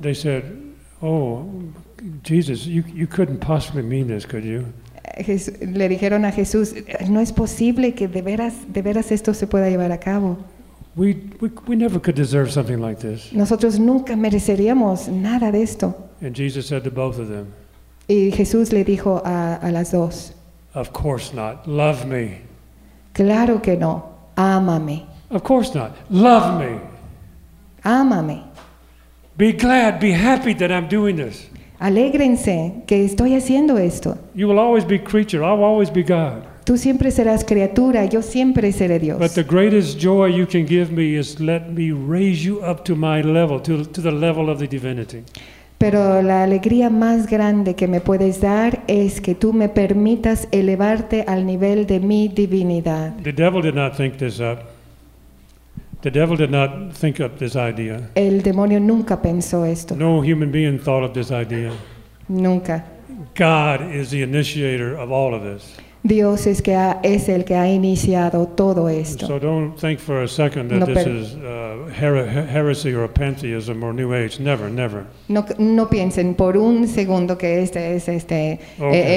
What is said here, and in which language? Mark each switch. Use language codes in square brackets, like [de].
[en] They said, "Oh, Jesus, you couldn't possibly mean this, could you?" [es] Le dijeron a Jesús, "No es posible que de veras esto se pueda llevar a cabo." [en] We never could deserve something like this. [es] Nosotros nunca mereceríamos nada de esto. [en] And Jesus said to both of them. [es] Y Jesús le dijo a las dos. [en] Of course not. Love me. [es] Claro que no. Ámame. [en] Of course not. Love me. [es] Ámame. [en] Be glad, be happy that I'm doing this. [es] Alégrense que estoy haciendo esto. [en] You will always be creature, I will always be God. [es] Tú siempre serás criatura, yo siempre seré Dios. [en] But the greatest joy you can give me is let me raise you up to my level, to the level of the divinity. [es] Pero la alegría más grande que me puedes dar es que tú me permitas elevarte al nivel de mi divinidad. [en] The devil did not think this up. The devil did not think up this idea. [es] El demonio nunca pensó esto. [en] No human being thought of this idea. [es] Nunca. [en] God is the initiator of all of this. [es] Dios es que es el que ha iniciado todo esto. [en] So don't think for a second that this is heresy or pantheism or New Age. Never, never. [es] No piensen por un segundo que este es este okay.